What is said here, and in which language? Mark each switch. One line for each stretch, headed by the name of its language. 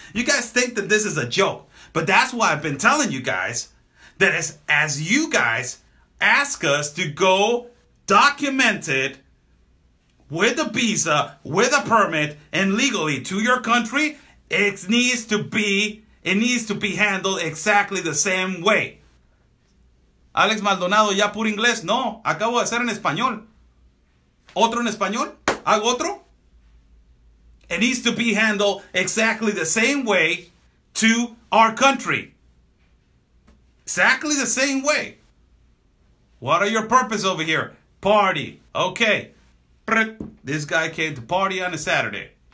English: You guys think that this is a joke, but that's why I've been telling you guys that as you guys ask us to go documented with a visa, with a permit, and legally to your country, It needs to be handled exactly the same way.
Spanish: Alex Maldonado, ¿ya puro inglés? No, acabo de hacer en español. ¿Otro en español? ¿Hago otro?
English: It needs to be handled exactly the same way to our country. Exactly the same way. What are your purposes over here? Party. Okay. This guy came to party on a Saturday.